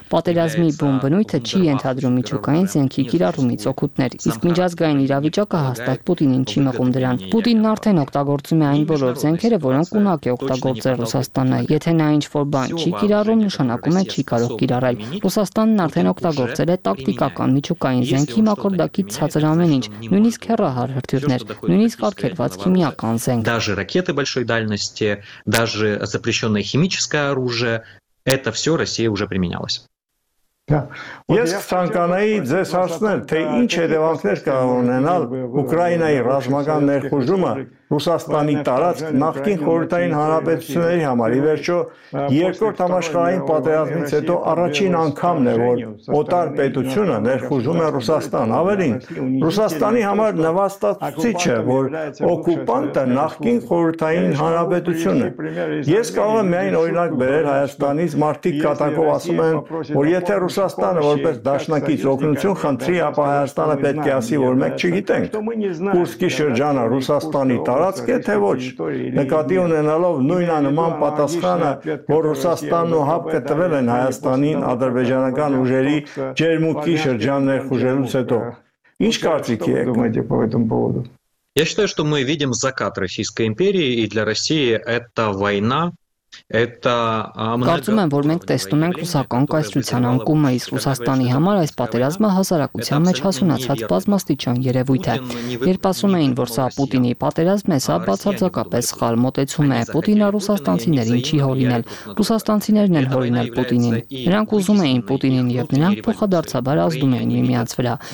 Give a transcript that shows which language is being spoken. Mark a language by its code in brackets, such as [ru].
[hy] Պատերազմի բուն բնույթը չի ենթադրում միջուկային զենքի կիրառումից օգուտներ, իսկ միջազգային իրավիճակը հաստատ Պուտինին չի մղում դրան։ Պուտինն արդեն օգտագործում է այն բոլոր զենքերը, որոնք ունակ է օգտագործել Ռուսաստանը։ Եթե նա ինչ-որ բան չի կիրառում, նշանակում է չի կարող կիրառել։ Ռուսաստանն արդեն օգտագործել է տակտիկական միջուկային զենքի մակարդակի ցածր ամեն ինչ, նույնիսկ հեռահար հրթիռներ, նույնիսկ արգելված քիմիական զենք, [ru] даже ракеты большой дальности, даже запрещённое химическое оружие. Это всё Россия уже применялась. [hy] Ես ցանկանայի ձեզ հարցնել, թե ինչ հետևանքներ կարող ունենալ Ուկրաինայի ռազմական ներխուժումը Ռուսաստանի տարածք նախկին խորհրդային հանրապետությունների համար։ Ի վերջո, երկրորդ համաշխարհային պատերազմից հետո առաջին անգամն է, որ օտար պետությունը ներխուժում է Ռուսաստան։ Ավելին, Ռուսաստանի համար նվաստացուցիչ է, որ օկուպանտը նախկին խորհրդային հանրապետությունը։ Ես կարող եմ միայն օրինակ բերել Հայաստանից, մարդիկ կատակով ասում են, որ եթե Ռուսաստանը որպես դաշնակից օգնություն խնդրի, ապա Հայաստանը պետք է ասի, որ մենք չգիտենք Կուրսկի շրջանը Ռուսաստանի տարածք է, թե ոչ, նկատի ունենալով նույնանման պատասխանը, որ Ռուսաստանն ու ՀԱՊԿ-ը տվել են Հայաստանին ադրբեջանական ուժերի Ջերմուկի շրջան ներխուժելուց հետո։ Ինչ կարծիքի եք մտի [ru] по этому поводу? Я считаю, что мы видим закат Российской империи, и для России это война. [hy] Կարծում եմ, որ մենք տեսնում ենք ռուսական կայսրության անկումը, իսկ Ռուսաստանի համար այս պատերազմը հասարակության մեջ հասունացած բազմաստիճան երևույթ է։ Երբ ասում էին, որ սա Պուտինի պատերազմ է, սա բացարձակապես սխալ մոտեցում է։ Պուտինը ռուսաստանցիներին չի հորինել, ռուսաստանցիներն են հորինել Պուտինին։ Նրանք ուզում էին Պուտինին, և նրանք փոխադարձաբար ազդում էին միմյանց վրա,